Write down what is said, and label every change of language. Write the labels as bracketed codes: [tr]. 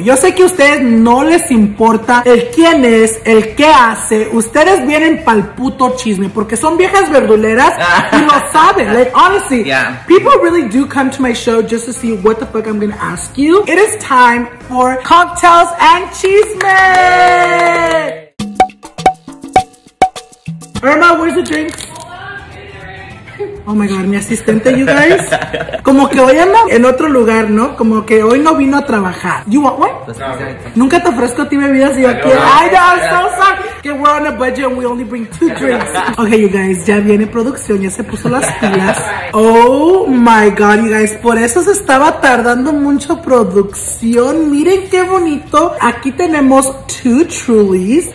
[es] Yo sé que a ustedes no les importa el quién es, el qué hace. Ustedes vienen pa'l puto chisme porque son viejas verduleras y lo saben. [en] Like, honestly, people really do come to my show just to see what the fuck I'm gonna ask you. It is time for cocktails and chisme. Irma, where's the drinks? Oh my God, [es] mi asistente, [en] you guys. [es] Como que hoy anda en otro lugar, ¿no? Como que hoy no vino a trabajar. [en] You want one? [es] No. Nunca te ofrezco a ti bebidas y yo aquí. Ay, [en] no, I'm so sorry. Que we're on a budget and we only bring 2 drinks. Okay, you guys, [es] ya viene producción, ya se puso las pilas. [en] Oh my God, you guys, [es] por eso se estaba tardando mucho producción. Miren qué bonito. Aquí tenemos 2 Trulies.